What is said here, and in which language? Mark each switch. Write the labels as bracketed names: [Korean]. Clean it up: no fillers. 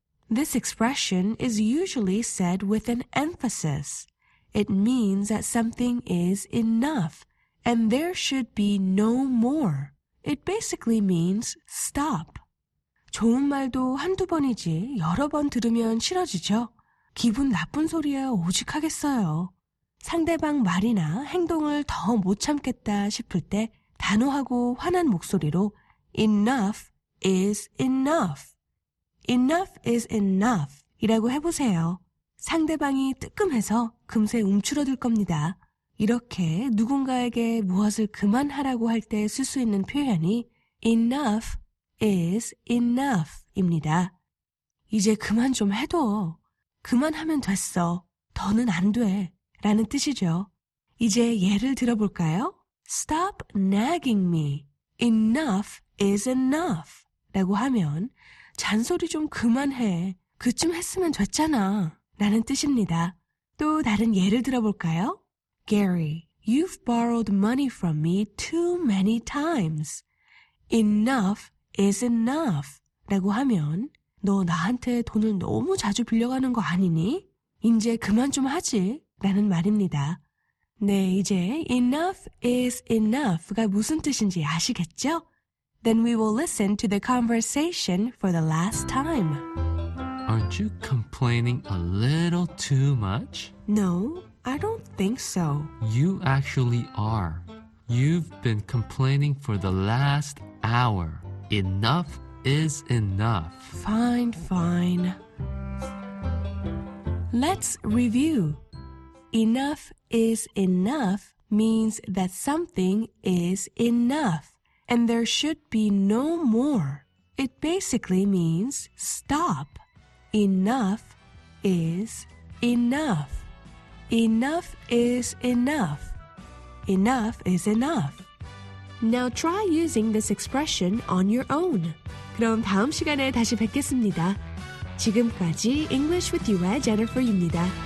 [English] This expression is usually said with an emphasis. It means that something is enough and there should be no more. It basically means stop. [Korean] 좋은 말도 한두 번이지 여러 번 들으면 싫어지죠. 기분 나쁜 소리에 오죽하겠어요. 상대방 말이나 행동을 더 못 참겠다 싶을 때 단호하고 화난 목소리로 enough is enough. [English] Enough is enough [Korean] 이라고 해보세요. 상대방이 뜨끔해서 금세 움츠러들 겁니다. 이렇게 누군가에게 무엇을 그만하라고 할 때 쓸 수 있는 표현이 enough is enough 입니다. 이제 그만 좀 해둬. 그만하면 됐어. 더는 안 돼. 라는 뜻이죠. 이제 예를 들어볼까요? [English] Stop nagging me. Enough is enough. [Korean] 라고 하면 잔소리 좀 그만해. 그쯤 했으면 됐잖아. 라는 뜻입니다. 또 다른 예를 들어볼까요? [English] Gary, you've borrowed money from me too many times. Enough is enough. [Korean] 라고 하면 너 나한테 돈을 너무 자주 빌려가는 거 아니니? 이제 그만 좀 하지. 라는 말입니다. 네, 이제 enough is enough가 무슨 뜻인지 아시겠죠? [English] Then we will listen to the conversation for the last time. Aren't you complaining a little too much? No, I don't think so. You actually are. You've been complaining for the last hour. Enough is enough. Fine, fine. Let's review. Enough is enough means that something is enough and there should be no more. It basically means stop. Enough is enough. Enough is enough. Enough is enough. Now try using this expression on your own. [Korean] 그럼 다음 시간에 다시 뵙겠습니다. 지금까지 English with you의 Jennifer입니다.